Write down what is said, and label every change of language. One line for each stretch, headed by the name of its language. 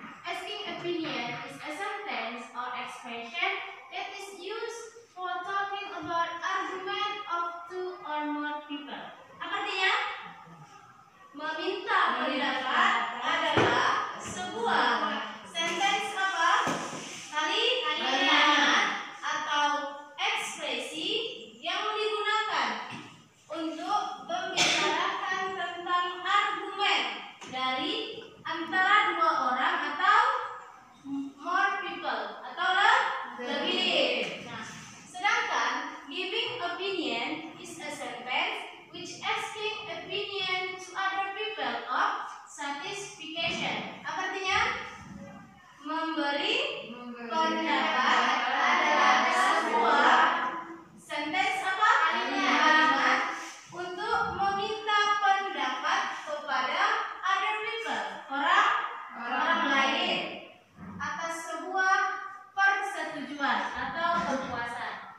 English: Asking opinion is a sentence or expression that is used for talking about argument of two or more people.
Indonesian: Apa artinya? Meminta pendapat adalah sebuah sentence apa? Kalimat atau ekspresi yang digunakan untuk membicarakan tentang argumen dari antara dua orang atau
English: more people
Indonesian: atau lebih. Sedangkan
English: giving opinion is a sentence which asking opinion to other people of satisfaction.
Indonesian: Apa artinya? Memberi pendapat adalah sebuah sentence apa? Kalimat untuk meminta pendapat kepada
English: other people,
Indonesian: orang lain atas sebuah persetujuan atau kepuasan.